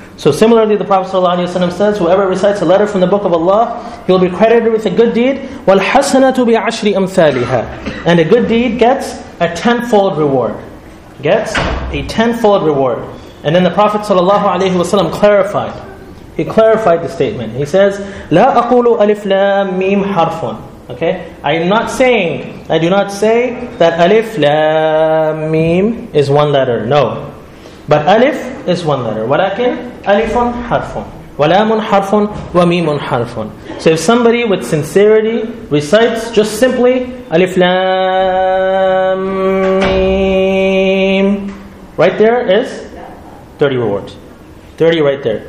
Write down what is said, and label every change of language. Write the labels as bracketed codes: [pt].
[en] So similarly, the Prophet sallallahu alaihi wasallam says, whoever recites a letter from the book of Allah, he will be credited with a good deed. [ar] وَالْحَسَنَةُ بِعَشْرِ أَمْثَالِهَا. [en] And a good deed gets a tenfold reward. gets a tenfold reward. And then the Prophet ﷺ clarified. He clarified the statement. He says, [ar] لا أقول ألف لام ميم حرف. [en] Okay? I do not say that [ar] ألف لام ميم [en] is one letter. No. But ألف is one letter. [ar] ولكن ألف حرف. ولام حرف وميم حرف. [en] So if somebody with sincerity recites just simply ألف لام ميم, right there is 30 rewards. 30 right there.